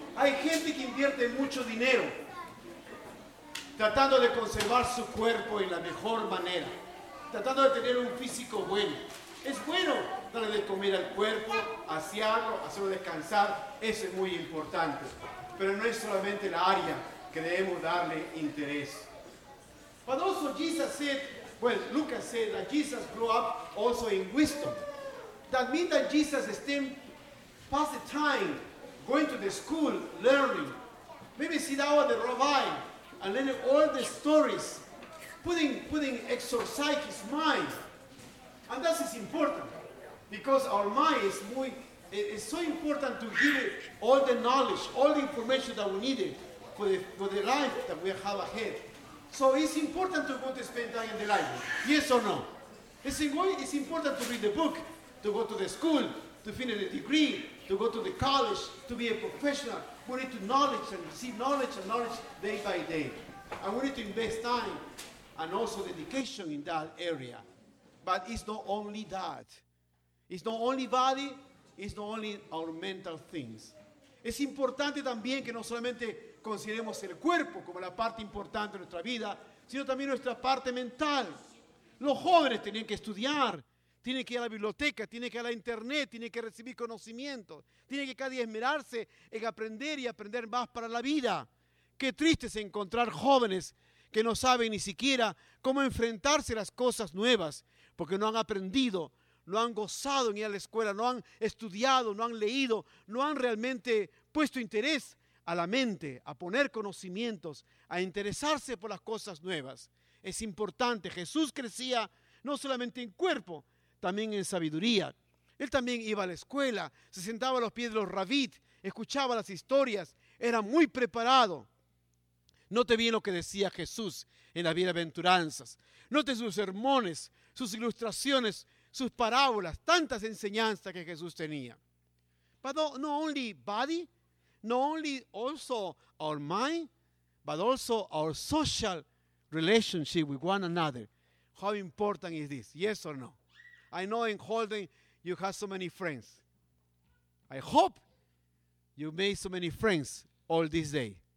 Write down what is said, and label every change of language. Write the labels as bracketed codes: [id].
[es] Hay gente que invierte mucho dinero tratando de conservar su cuerpo en la mejor manera, tratando de tener un físico bueno. Es bueno darle de comer al cuerpo, asearlo, hacerlo descansar, eso es muy importante. Pero no es solamente la área que debemos darle interés. [en] But also Jesus said, well, Lucas said that Jesus grew up also in wisdom. That means that Jesus spent past the time going to the school, learning. Maybe sit down with the rabbi and learning all the stories, putting exercise his mind. And that is important because our mind is muy, it's so important to give it all the knowledge, all the information that we needed for the life that we have ahead. So it's important to go to spend time in the library, yes or no? It's important to read the book, to go to the school, to finish the degree, to go to the college, to be a professional. We need to knowledge and receive knowledge and knowledge day by day. And we need to invest time and also dedication in that area. But it's not only that. It's not only body, it's not only our mental things. [es] Es importante también que no solamente consideremos el cuerpo como la parte importante de nuestra vida, sino también nuestra parte mental. Los jóvenes tienen que estudiar, tienen que ir a la biblioteca, tienen que ir a la internet, tienen que recibir conocimiento, tienen que cada día esmerarse en aprender y aprender más para la vida. Qué triste es encontrar jóvenes que no saben ni siquiera cómo enfrentarse a las cosas nuevas, porque no han aprendido, no han gozado en ir a la escuela, no han estudiado, no han leído, no han realmente puesto interés a la mente, a poner conocimientos, a interesarse por las cosas nuevas. Es importante. Jesús crecía no solamente en cuerpo, también en sabiduría. Él también iba a la escuela, se sentaba a los pies de los rabíes, escuchaba las historias, era muy preparado. Note bien lo que decía Jesús en las bienaventuranzas. Note sus sermones, sus ilustraciones, sus parábolas, tantas enseñanzas que Jesús tenía. [en] But not only body, not only also our mind, but also our social relationship with one another. How important is this? Yes or no? I know in Holden you have so many friends. I hope you made so many friends all this day.